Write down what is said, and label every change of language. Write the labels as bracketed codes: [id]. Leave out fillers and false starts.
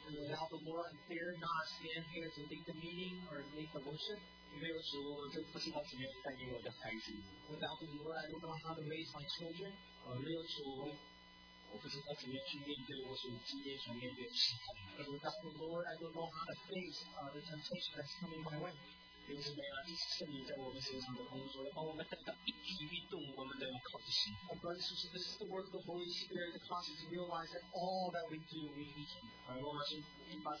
[en] Without the Lord, I dare not stand here to lead the meeting or lead the worship. [zh] 没有主，我就不知道怎么样带领我的孩子。 [en] Without the Lord, I don't know how to raise my children. [zh] 没有主，我不知道怎么样去面对我所经历所面对的事情。 [en] Without the Lord, I don't know how to face the temptation that's coming my way. [zh] 弟兄姊妹啊，这是圣灵在我们身上的工作，把我们带到一举一动，我们都要靠着神。 [en] And brothers and sisters, this is the work of the Holy Spirit that causes us to realize that all that we do, we need Him.